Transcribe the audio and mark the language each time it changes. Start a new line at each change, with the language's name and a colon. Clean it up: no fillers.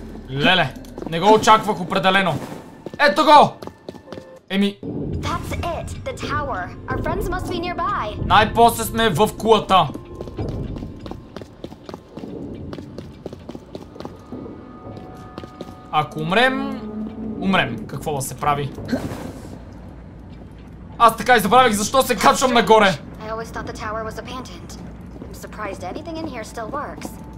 Bulgarian: Леле, не го очаквах определено. Ето го.
English: Еми the tower. Our friends must be nearby.
Bulgarian: Най-после сме в кулата. Ако умрем, умрем. Какво да се прави? Аз така и забравих защо се качвам нагоре.
English: I always thought the tower was abandoned. I'm surprised anything in here still works.